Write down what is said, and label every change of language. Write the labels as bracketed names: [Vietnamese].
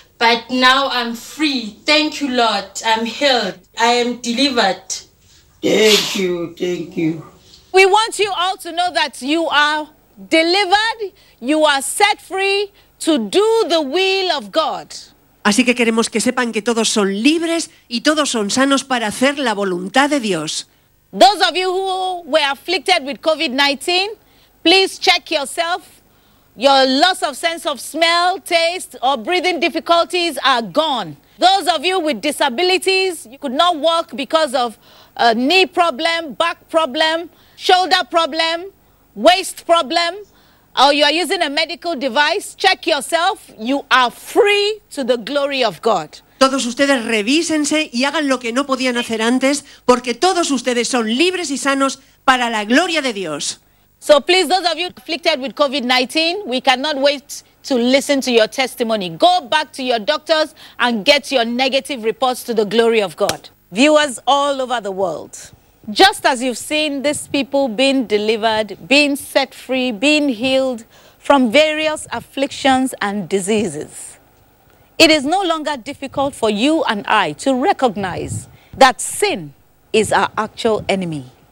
[English] But now I'm free. Thank you, Lord. I'm healed. I am delivered. Thank you. Thank you. We want you all to know that you are delivered. You are set free to do the will of God. [Spanish] Así que queremos que sepan que todos son libres y todos son sanos para hacer la voluntad de Dios. [English] Those of you who were afflicted with COVID-19, please check yourself. Your loss of sense of smell, taste, or breathing difficulties are gone. Those of you with disabilities, you could not walk because of a knee problem, back problem, shoulder problem, waist problem, or you are using a medical device, check yourself. You are free to the glory of God. [Spanish] Todos ustedes revísense y hagan lo que no podían hacer antes, porque todos ustedes son libres y sanos para la gloria de Dios. [English] So please, those of you afflicted with COVID-19, we cannot wait to listen to your testimony. Go back to your doctors and get your negative reports to the glory of God. Viewers all over the world, just as you've seen these people being delivered, being set free, being healed from various afflictions and diseases, it is no longer difficult for you and I to recognize that sin is our actual enemy.